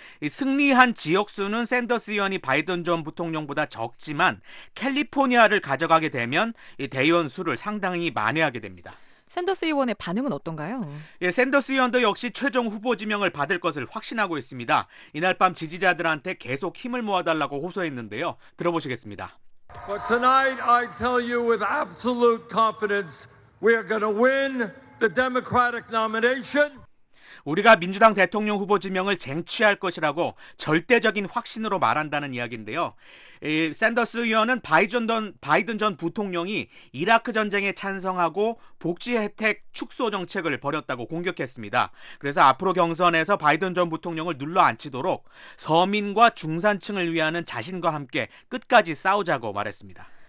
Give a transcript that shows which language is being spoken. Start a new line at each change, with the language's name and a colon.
Korean: 이 승리한 지역 수는 샌더스 의원이 바이든 전 부통령보다 적지만 캘리포니아를 가져가게 되면 이 대의원 수를 상당히 만회하게 됩니다. 샌더스 의원의 반응은 어떤가요? 예, 샌더스 의원도 역시 최종 후보 지명을 받을 것을 확신하고 있습니다. 이날 밤 지지자들한테 계속 힘을 모아달라고 호소했는데요. 들어보시겠습니다.
English: But tonight I tell you with absolute confidence we are going to win the Democratic nomination.
Korean: 우리가 민주당 대통령 후보 지명을 쟁취할 것이라고 절대적인 확신으로 말한다는 이야기인데요. 샌더스 의원은 바이든 전 부통령이 이라크 전쟁에 찬성하고 복지 혜택 축소 정책을 벌였다고 공격했습니다. 그래서 앞으로 경선에서 바이든 전 부통령을 눌러앉히도록 서민과 중산층을 위하는 자신과 함께 끝까지 싸우자고 말했습니다.